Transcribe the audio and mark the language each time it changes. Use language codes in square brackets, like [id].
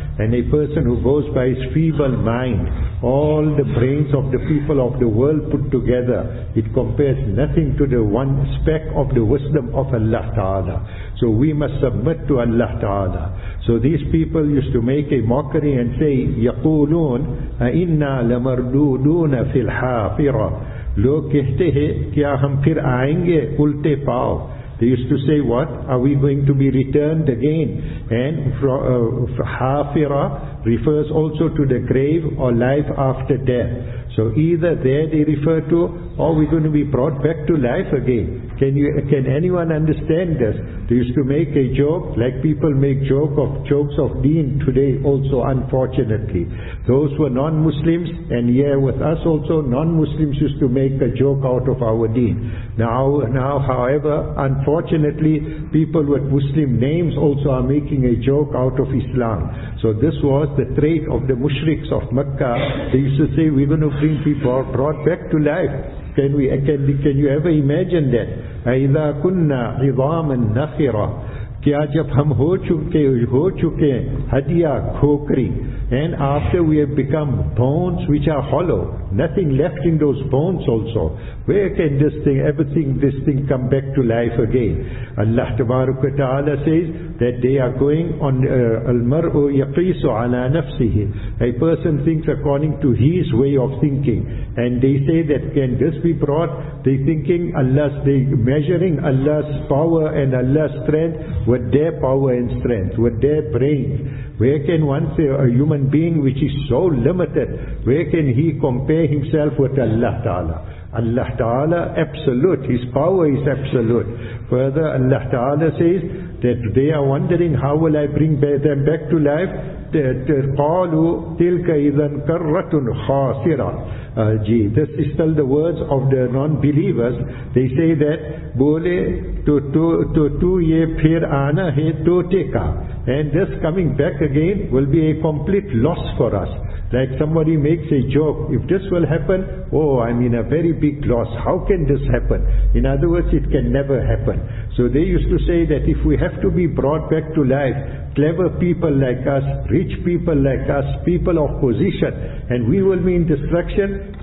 [en] And a person who goes by his feeble mind, all the brains of the people of the world put together, it compares nothing to the one speck of the wisdom of Allah Ta'ala. So we must submit to Allah Ta'ala. So these people used to make a mockery and say, [ar] يقولون أئنا لمردودون في الحافرة. [ur] لوگ کہتے ہیں کیا ہم پھر آئیں گے الٹے پاؤ. [en] They used to say, what? Are we going to be returned again? And hafira refers also to the grave or life after death. So either there they refer to, or we're going to be brought back to life again. Can anyone understand this? They used to make a joke, like people make jokes of deen today also, unfortunately. Those were non-Muslims, and yeah, with us also, non-Muslims used to make a joke out of our deen. Now, however, unfortunately, people with Muslim names also are making a joke out of Islam. So this was the trait of the mushriks of Makkah. They used to say, we're going to bring people brought back to life. Can you ever imagine that? [ar] أَإِذَا كُنَّا عِظَامًا نَخِرًا. [ur] کیا جب ہم ہو چکے ہڈیا کھوکری. [en] And after we have become bones which are hollow, nothing left in those bones also, where can this thing come back to life again? Allah Tabaraka Ta'ala says that they are going on [ar] al-mar'u yaqisu ala nafsihi. [en] A person thinks according to his way of thinking, and they say that can this be brought? They thinking Allah's, they measuring Allah's power and Allah's strength with their power and strength, with their brain. Where can one say, a human being which is so limited, where can he compare himself with Allah Ta'ala? Allah Ta'ala absolute, his power is absolute. Further, Allah Ta'ala says that they are wondering, how will I bring them back to life? [ar] قَالُوا تِلْكَ إِذَنْ كَرَّةٌ خَاسِرًا. [en] This is still the words of the non-believers. They say that [ur] بولے تو یہ پھر آنا ہے توٹے کا. [en] And this coming back again will be a complete loss for us. Like somebody makes a joke, if this will happen, oh, I'm in a very big loss. How can this happen? In other words, it can never happen. So they used to say that if we have to be brought back to life, clever people like us, rich people like us, people of position, and we will be in destruction.